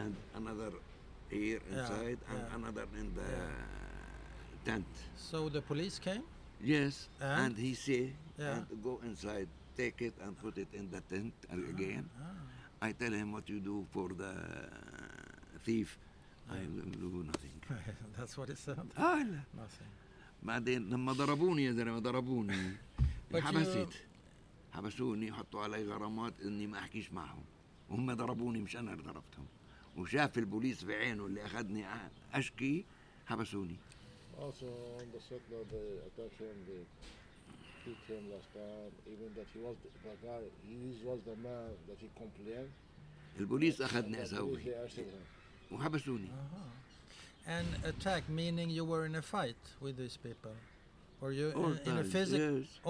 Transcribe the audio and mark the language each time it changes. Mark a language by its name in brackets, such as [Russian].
[English] And another here inside. Yeah. And yeah. Another in the tent. So the police came. Yes. And he say. Yeah. And go inside, take it and put it in the tent again. I tell him what you do for the thief. I will do nothing. That's what he said. Nothing. [Arabic] بعدين لما ضربوني يا زلمة ضربوني. حبسيت. حبسوني وحطوا علي غرامات إني ما أحكيش معهم. وهم ضربوني مش أنا اللي ضربتهم. وشاف البوليس بعينه اللي أخذني أشكي حبسوني. [English] Also on the settler they attacked him, they beat him last time. Even that he was the guy, he was the man that he complained. [Arabic] البوليس أخذني أسوي. وحبسوني. [English] And attack meaning you were in a fight with these people, were you in a physical